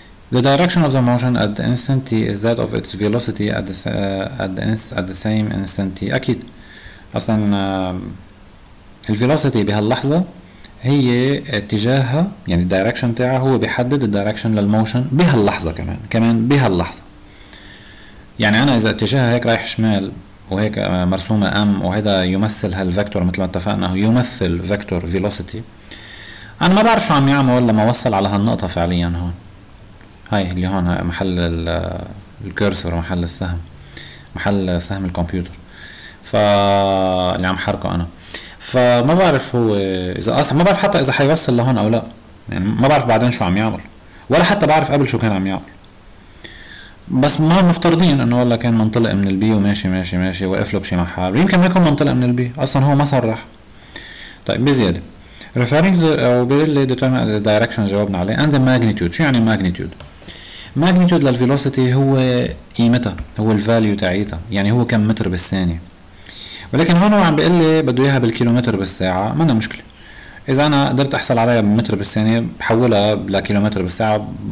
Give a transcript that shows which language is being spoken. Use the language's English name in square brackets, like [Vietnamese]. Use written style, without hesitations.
[English] The direction of the motion at the instant t is that of its velocity at the same instant t. [Arabic] أكيد أصلاً ال velocity بهاللحظة هي اتجاهها، يعني direction تاعها هو بيحدد direction للموشن بهاللحظة، كمان بهاللحظة. يعني أنا إذا اتجاهها هيك رايح شمال وهيك مرسومة أم، وهذا يمثل هالفكتور مثل ما اتفقنا، هو يمثل فكتور velocity. أنا ما بعرف شو عم يعمل ولا ما وصل على هالنقطة فعلياً هون، هاي اللي هون محل الكورسور، محل السهم، محل سهم الكمبيوتر، فاللي عم حركه انا، فما بعرف هو اذا اصلا ما بعرف حتى اذا حيوصل لهون او لا، يعني ما بعرف بعدين شو عم يعمل، ولا حتى بعرف قبل شو كان عم يعمل. بس ما مفترضين انه والله كان منطلق من البي وماشي ماشي ماشي وقف له بشي محل، يمكن ما يكون منطلق من البي اصلا، هو ما صرح. طيب بزياده [English] referring to the ability to determine the direction [Arabic] جاوبنا عليه، [English] and the magnitude. [Arabic] شو يعني magnitude؟ magnitude للvelocity هو قيمتها، هو الفاليو تاعيتها، يعني هو كم متر بالثانية. ولكن هون هو عم بيقول لي بده اياها بالكيلومتر بالساعة، ما لنا مشكلة اذا انا قدرت احصل عليها بمتر بالثانية بحولها لكيلومتر بالساعة.